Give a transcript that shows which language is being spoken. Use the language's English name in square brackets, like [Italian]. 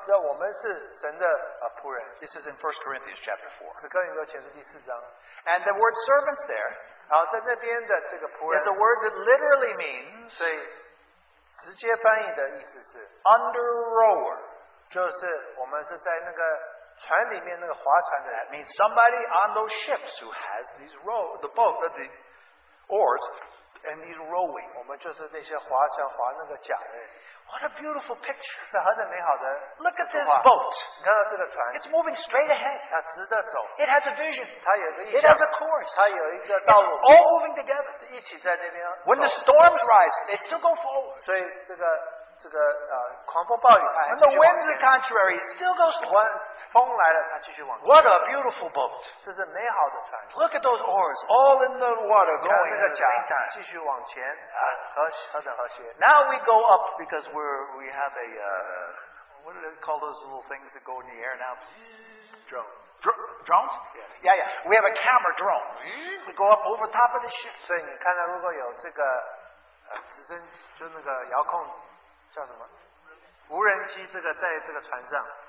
[Chinese] 所以你要让我们是神的仆人。 [English] This is in 1 Corinthians chapter 4. [Chinese] 是哥林多前书第四章。 [English] And the word servants there, [Chinese] 然后在那边的这个仆人, [English] is a word that literally means, [Chinese] 所以直接翻译的意思是, [English] under rower. [Chinese] 就是我们是在那个, [English] that means somebody on those ships who has these row the boat the oars and these rowing. What a beautiful picture. Look at this boat. It's moving straight ahead. It has a vision. It has a course. All moving together. When the storms rise, they still go forward. [Chinese] 这个狂风暴雨, [English] when the winds are contrary, it still goes forward. [Chinese] 风来了, [English] what a beautiful boat. [Chinese] 这是美好的船, [English] look at those oars all in the water going at the same time. [Chinese] 继续往前, 和着和谐, [English] now we go up because we have a what do they call those little things that go in the air now? Drones? Yeah. Yeah, yeah. We have a camera drone. We go up over top of the ship. [Chinese] 所以你看到如果有这个, 直升, 就那个遥控, 叫什么? 无人机这个在这个船上。